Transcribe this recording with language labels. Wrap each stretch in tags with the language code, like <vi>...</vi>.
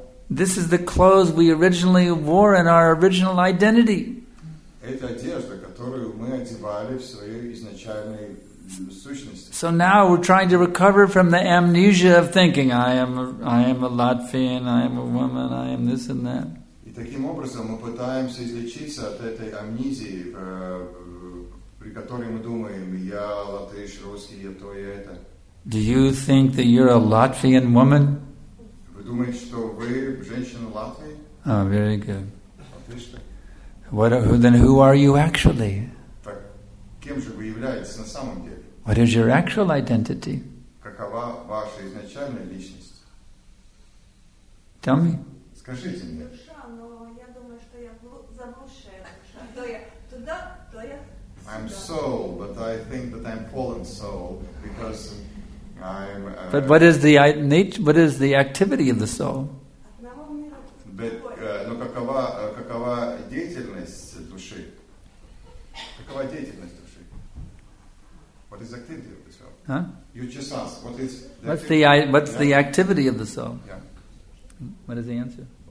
<en>This is the clothes we originally wore in our original identity.</en> <ru>Это одежда, которую мы одевали в своей изначальной сущности.</ru> <en>So now we're trying to recover from the amnesia of thinking I am a Latvian, I am a woman, I am this and that.</en> <ru>И таким образом мы пытаемся излечиться от этой амнезии, при которой мы думаем, я латыш, русский, я то, я это.</ru> <en>Do you think that you're a Latvian woman?</en> <ru>Вы думаете, что вы женщина Латвии?</ru> <en>Oh, very good.</en> <ru>Отлично.</ru> <en>Who are you actually?</en> <ru>Так, кем же вы являетесь на самом деле?</ru> <en>What is your actual identity?</en> <ru>Какова ваша изначальная личность?</ru> <en>Tell me.</en> <ru>Скажите мне. Душа, но я думаю, что я заблудшая душа. То я туда, то я сюда.</ru> <en>I'm soul, but I think that I'm fallen soul, because I'm... But what is the nature, what is the activity of the soul?</en> <ru>Какова деятельность души? Какова деятельность души?</ru> <en>What is the activity of the soul? Huh? You just asked, what is the What's the activity of the soul? Yeah. What is the answer?</en>